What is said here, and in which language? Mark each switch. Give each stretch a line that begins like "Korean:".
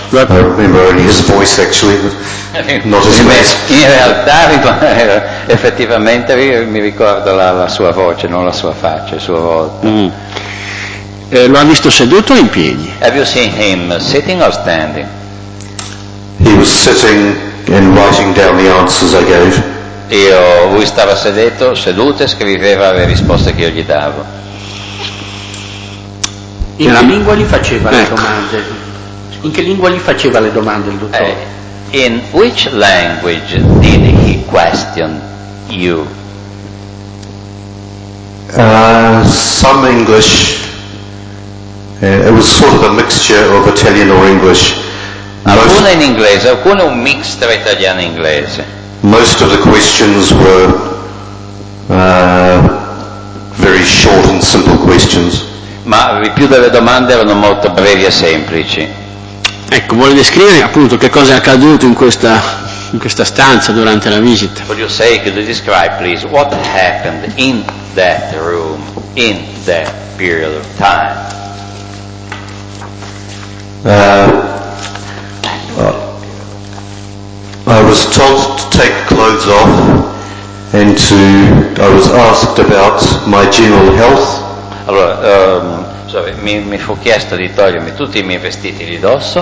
English: I remember only his voice actually, not his face.
Italian: In realtà, effettivamente, mi ricordo la sua voce, non la sua faccia, il suo volto. Mm. Lo ha visto seduto o in piedi?
English: Have you seen him sitting or standing? He was sitting and writing down the answers I gave.
Italian: Lui stava seduto e scriveva le risposte che io gli davo. In che lingua gli faceva le domande? In che lingua gli faceva le domande il dottore?
English: In which language did he question you? Some English. It was sort of a mixture of Italian or English.
Italian: Alcune in inglese, alcune un mix tra italiano e inglese.
English: Most of the questions were very short and simple questions.
Italian: Ma più delle domande erano molto brevi e semplici. Ecco, vuole descrivere appunto che cosa è accaduto in questa stanza durante la visita.
English: Would you say, could you describe please what happened in that room in that period of time? I was told to take clothes off and to I was asked about my general health.
Italian: Allora, mi fu chiesto di togliermi tutti i miei vestiti di dosso